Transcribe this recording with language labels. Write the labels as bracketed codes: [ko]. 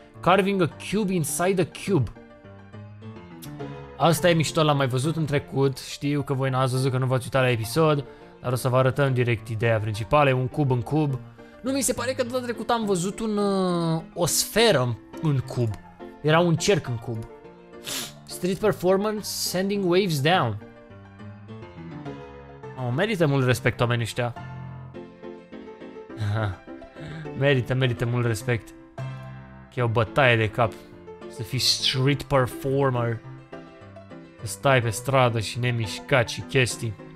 [en] Carving a cube inside a cube. [ro] Asta e mișto, l-am mai văzut în trecut. Știu că voi n-ați văzut, că nu v-ați uitat la episod, dar o să vă arătăm direct ideea principală. Un cub în cub. Nu, mi se pare că data trecută am văzut o sferă în cub. Era un cerc în cub. [en] Street performance, sending waves down. [ro] Oh, merită mult respect oamenii ăștia. Merită mult respect. Că e o bătaie de cap să fii street performer. Să stai pe stradă și nemișcat și chestii.